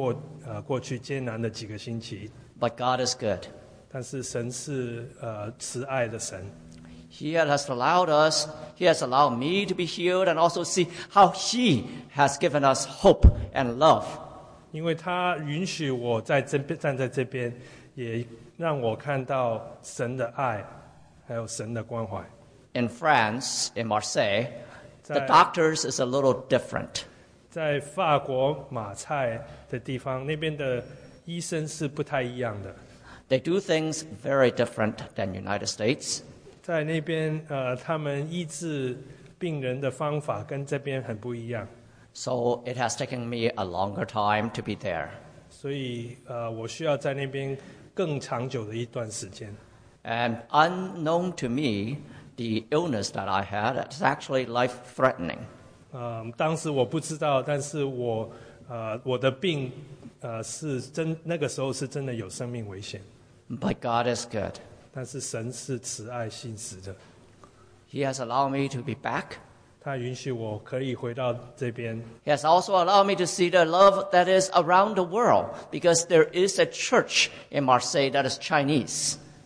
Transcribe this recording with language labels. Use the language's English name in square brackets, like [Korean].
[Chinese] 确实是一个艰难的过去艰难的几个星期。 [English] But God is good. [Chinese] 但是神是慈爱的神。 [English] He has allowed me to be healed and also see how He has given us hope and love. [Chinese] 因为他允许我站在这边, 也让我看到神的爱, 还有神的关怀。 [English] In France, in Marseille, 在, the doctors is a little different. [Chinese] 在法国马赛的地方, 那边的医生是不太一样的。 [English] They do things very different than United States. [Chinese] 在那边, 他们医治病人的方法跟这边很不一样。 [English] So it has taken me a longer time to be there. [Chinese] 所以, 我需要在那边更长久的一段时间。 [English] And unknown to me, the illness that I had is actually life-threatening. [Chinese] 当时我不知道, 但是我, 我的病, 是真, 那个时候是真的有生命危险。 [English] But God is good. [Chinese] 但是神是慈爱信实的。 [English] He has allowed me to be back. [Chinese] 他允许我可以回到这边。 [English] He has also allowed me to see the love that is around the world because there is a church in Marseille that is Chinese.